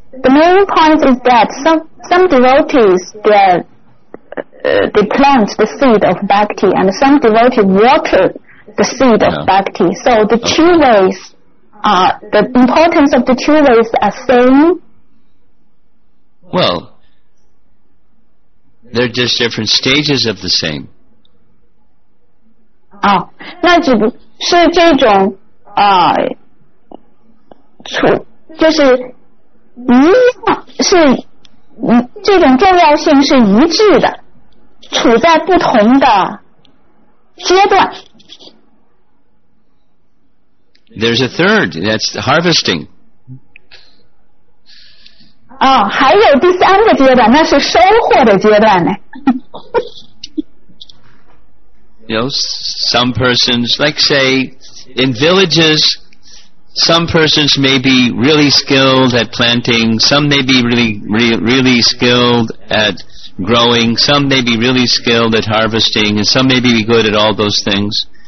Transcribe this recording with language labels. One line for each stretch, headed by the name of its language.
English: The main point is that some devotees, they plant the seed of bhakti, and some devotees water the seed of bhakti. So the two ways...the importance of the two ways are same. Well, they're just different stages of the same.
Chinese: Oh, 那只不是这种啊，就是一样是这种重要性是一致的，处在不同的阶段。
English: There's a third. That's harvesting.
Chinese: Oh, 还有第三个阶段，那是收获的阶段呢。
English: You know, some persons, like say, in villages, some persons may be really skilled at planting, some may be really skilled at growing, some may be really skilled at harvesting, and some may be good at all those things.